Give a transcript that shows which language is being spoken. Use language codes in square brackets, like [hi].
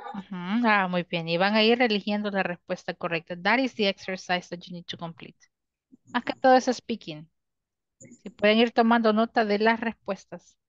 [es] Muy bien, y van a ir eligiendo la respuesta correcta. [en] That is the exercise that you need to complete. [es] Más que todo es speaking. Si pueden ir tomando nota de las respuestas.